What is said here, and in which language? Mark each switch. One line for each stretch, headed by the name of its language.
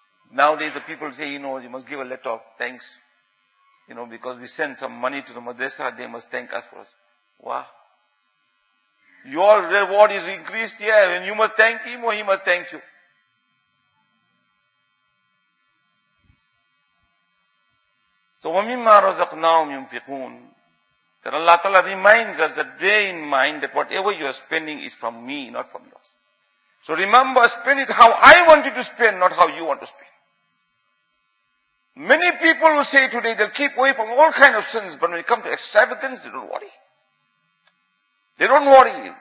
English: Nowadays the people say, you know, you must give a letter of thanks, you know, because we send some money to the madrasa, they must thank us for us. Wow. Your reward is increased here, and you must thank him or he must thank you.
Arabic: So, وَمِمَّا رَزَقْنَاهُمْ يُنْفِقُونَ.
English: That Allah Ta'ala reminds us that bear in mind that whatever you are spending is from me, not from yours. So remember, spend it how I want you to spend, not how you want to spend. Many people will say today, they'll keep away from all kinds of sins, but when it comes to extravagance, they don't worry. They don't worry.